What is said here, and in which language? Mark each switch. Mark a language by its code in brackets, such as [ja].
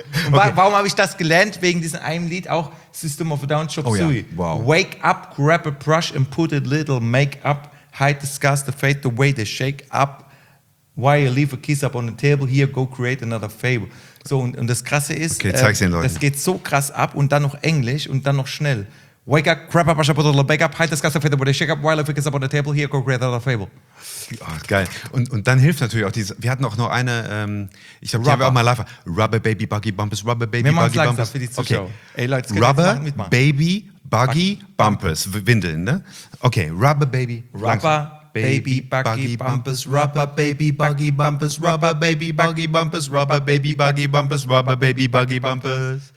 [de] Warum habe ich das gelernt? Wegen diesem einen Lied auch. [en] System of a Down, Chop Suey. Oh, yeah. Wow. Wake up, grab a brush and put a little makeup. Hide the scars, the fate, the way they shake up. While you leave a kiss up on the table, here go create another fable. [de] So, und das Krasse ist, das geht so krass ab und dann noch Englisch und dann noch schnell. [en] Wake up, grab a brush and put a little makeup. Hide the scars, the fate, the way they shake up. While you leave a kiss up on the table, here go create another fable. [de] Oh, geil. Und dann hilft natürlich auch wir hatten auch noch eine, ich glaube, die haben wir auch mal live. [en] Rubber Baby Buggy Bumpers, Rubber Baby Buggy [de] Wir machen es für die Zuschauer. Okay. Ey, Leute, [en] Rubber Baby Buggy Bumpers, [de] Windeln, ne? [en] Okay, Rubber Baby. Rubber Baby Buggy Bumpers, Rubber Baby Buggy Bumpers, Rubber Baby Buggy Bumpers, Rubber Baby Buggy Bumpers, Rubber Baby Buggy Bumpers.